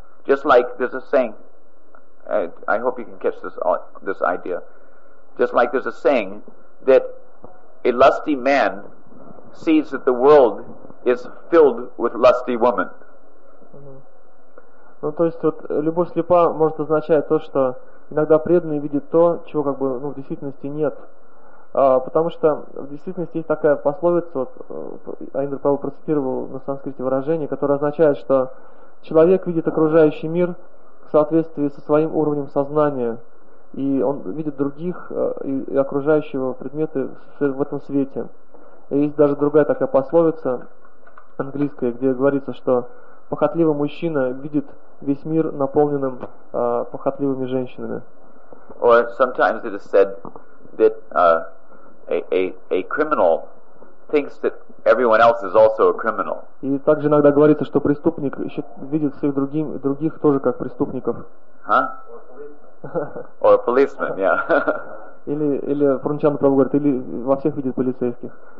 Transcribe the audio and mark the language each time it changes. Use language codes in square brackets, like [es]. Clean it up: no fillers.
[en] Just like there's a saying, I hope you can catch this idea. Just like there's a saying that a lusty man sees that the world is filled with lusty women. [ru] Ну то есть вот любовь слепа может означать то, что иногда преданный видит то, чего как бы в действительности нет, потому что в действительности есть такая пословица, вот Айнер Павел процитировал на санскрите выражение, которое означает, что человек видит окружающий мир в соответствии со своим уровнем сознания, и он видит других и окружающего предметы в этом свете. И есть даже другая такая пословица английская, где говорится, что похотливый мужчина видит весь мир наполненным похотливыми женщинами. [en] Or sometimes it is said that a criminal thinks that everyone else is also a criminal. [ru] И также иногда говорится, что преступник видит всех других тоже как преступников. [en] Huh? Or a policeman, yeah. [ru] Или Пурнчанда Прабху говорит, или во всех видит полицейских.